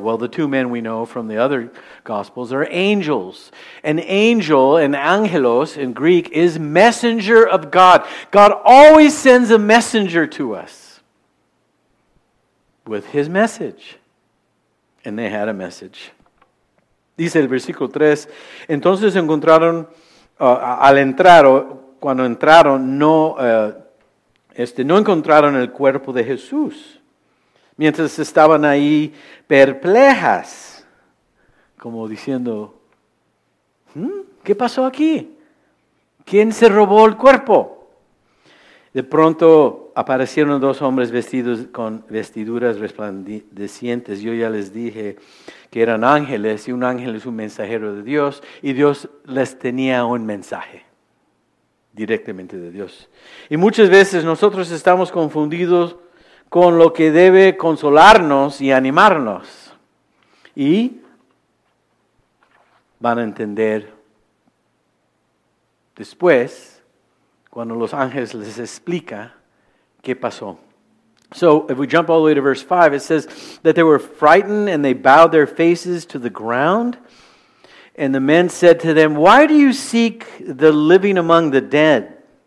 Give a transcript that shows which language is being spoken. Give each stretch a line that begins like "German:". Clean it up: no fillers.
English: Well, the two men we know from the other Gospels are angels. An angel, an angelos in Greek, is messenger of God. God always sends a messenger to us with his message. And they had a message.
Spanish: Dice el versículo 3, entonces encontraron, al entrar, cuando entraron, no encontraron el cuerpo de Jesús. Mientras estaban ahí perplejas, como diciendo, ¿qué pasó aquí? ¿Quién se robó el cuerpo? De pronto aparecieron dos hombres vestidos con vestiduras resplandecientes. Yo ya les dije que eran ángeles, y un ángel es un mensajero de Dios, y Dios les tenía un mensaje directamente de Dios. Y muchas veces nosotros estamos confundidos con lo que debe consolarnos y animarnos. Y van a entender después, cuando los ángeles les explica qué pasó.
English: So, if we jump all the way to verse 5, it says that they were frightened and they bowed their faces to the ground. And the men said to them, why do you seek the living among the dead?